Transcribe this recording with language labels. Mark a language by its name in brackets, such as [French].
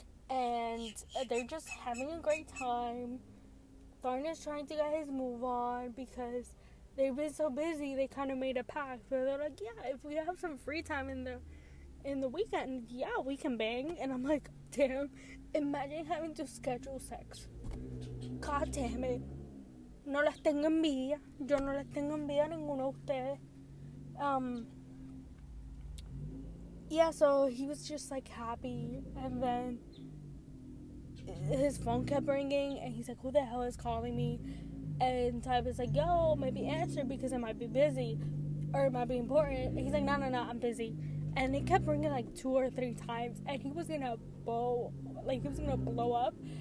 [English] And they're just having a great time. Thorn is trying to get his move on because they've been so busy, they kind of made a pact. So they're like, yeah, if we have some free time in the weekend, yeah, we can bang. And I'm like, damn, imagine having to schedule sex. God damn it. [Spanish] No les tengo envidia. Yo no les tengo envidia a ninguno de ustedes. [English] Yeah, so he was just, like, happy. And then his phone kept ringing, and he's like, who the hell is calling me? And Type is like, yo, maybe answer because it might be busy or it might be important. And he's like, no, I'm busy. And it kept ringing like two or three times, and he was gonna blow up.